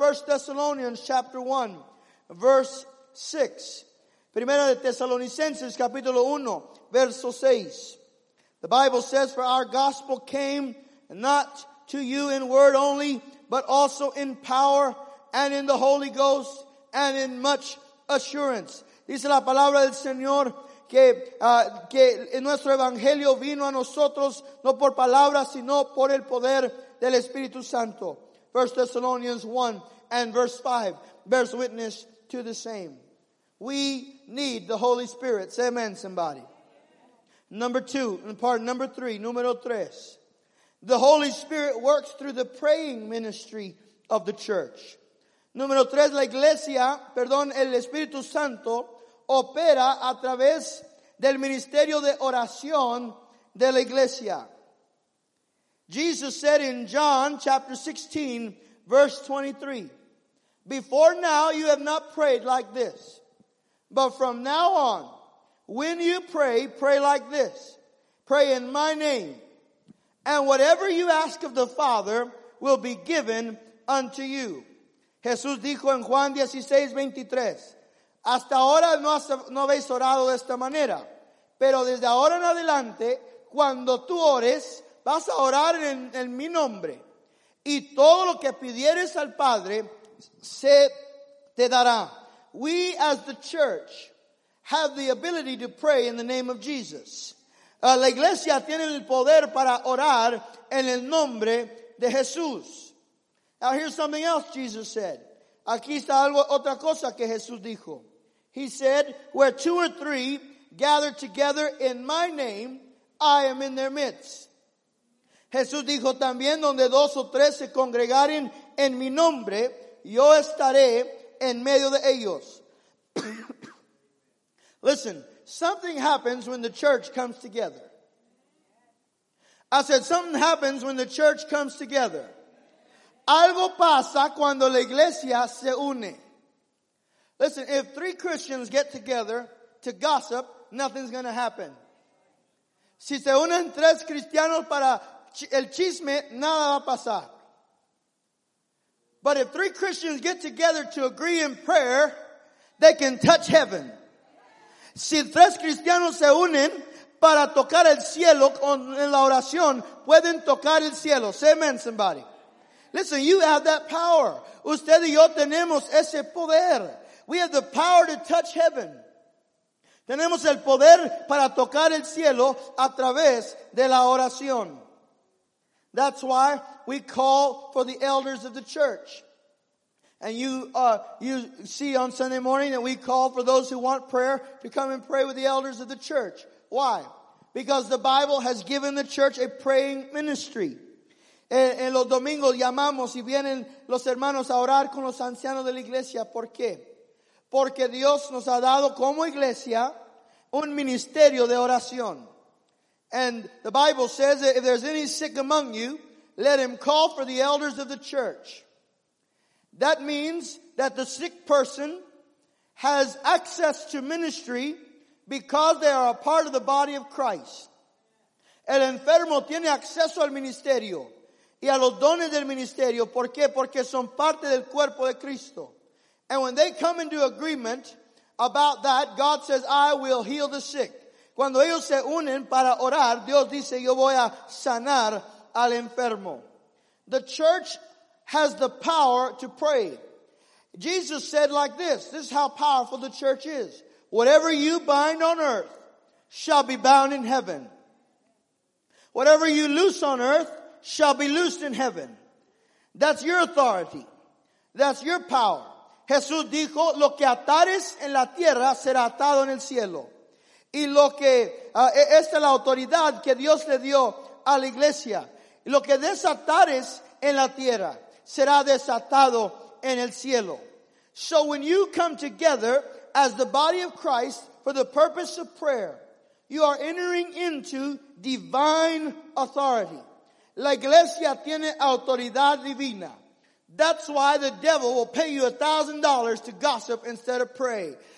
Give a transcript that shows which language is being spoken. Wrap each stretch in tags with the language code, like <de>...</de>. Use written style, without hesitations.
<en>1 Thessalonians chapter 1, verse 6.</en> <es>Primera de Tesalonicenses, capítulo 1, verso 6.</es> <en>The Bible says, for our gospel came not to you in word only, but also in power and in the Holy Ghost, and in much assurance.</en> <es>Dice la palabra del Señor que en nuestro evangelio vino a nosotros no por palabras sino por el poder del Espíritu Santo.</es> <en>1 Thessalonians 1 and verse 5 bears witness to the same. We need the Holy Spirit. Say amen, somebody.</en> <es>Número tres.</es> <en>The Holy Spirit works through the praying ministry of the church.</en> <es>Número tres, el Espíritu Santo opera a través del ministerio de oración de la iglesia.</es> <en>Jesus said in John chapter 16, verse 23, before now you have not prayed like this, but from now on, when you pray, pray like this. Pray in my name, and whatever you ask of the Father will be given unto you.</en> <es>Jesús dijo en Juan 16, 23, hasta ahora no habéis orado de esta manera, pero desde ahora en adelante, cuando tú ores, vas a orar en mi nombre, y todo lo que pidieres al Padre se te dará.</es> <en>We as the church have the ability to pray in the name of Jesus.</en> <es>La iglesia tiene el poder para orar en el nombre de Jesús.</es> <en>Now here's something else Jesus said.</en> <es>Aquí está algo, otra cosa que Jesús dijo.</es> <en>He said, where two or three gather together in my name, I am in their midst.</en> <es>Jesús dijo también, donde dos o tres se congregaren en mi nombre, yo estaré en medio de ellos.</es> <en>Listen, something happens when the church comes together. I said, something happens when the church comes together.</en> <es>Algo pasa cuando la iglesia se une.</es> <en>Listen, if three Christians get together to gossip, nothing's going to happen.</en> <es>Si se unen tres cristianos para el chisme, nada va a pasar.</es> <en>But if three Christians get together to agree in prayer, they can touch heaven.</en> <es>Si tres cristianos se unen para tocar el cielo en la oración, pueden tocar el cielo.</es> <en>Say amen, somebody. Listen, you have that power.</en> <es>Usted y yo tenemos ese poder.</es> <en>We have the power to touch heaven.</en> <es>Tenemos el poder para tocar el cielo a través de la oración.</es> <en>That's why we call for the elders of the church. And you see on Sunday morning that we call for those who want prayer to come and pray with the elders of the church. Why? Because the Bible has given the church a praying ministry.</en> <es>En los domingos llamamos y vienen los hermanos a orar con los ancianos de la iglesia. ¿Por qué? Porque Dios nos ha dado como iglesia un ministerio de oración.</es> <en>And the Bible says that if there's any sick among you, let him call for the elders of the church. That means that the sick person has access to ministry because they are a part of the body of Christ.</en> <es>El enfermo tiene acceso al ministerio y a los dones del ministerio. ¿Por qué? Porque son parte del cuerpo de Cristo.</es> <en>And when they come into agreement about that, God says, I will heal the sick.</en> <es>Cuando ellos se unen para orar, Dios dice, yo voy a sanar al enfermo.</es> <en>The church has the power to pray. Jesus said like this, this is how powerful the church is. Whatever you bind on earth shall be bound in heaven. Whatever you loose on earth shall be loosed in heaven. That's your authority. That's your power.</en> <es>Jesús dijo, lo que atares en la tierra será atado en el cielo. Y lo que, esta es la autoridad que Dios le dio a la iglesia. Lo que desatares en la tierra será desatado en el cielo.</es> <en>So when you come together as the body of Christ for the purpose of prayer, you are entering into divine authority.</en> <es>La iglesia tiene autoridad divina.</es> <en>That's why the devil will pay you $1,000 to gossip instead of pray.</en>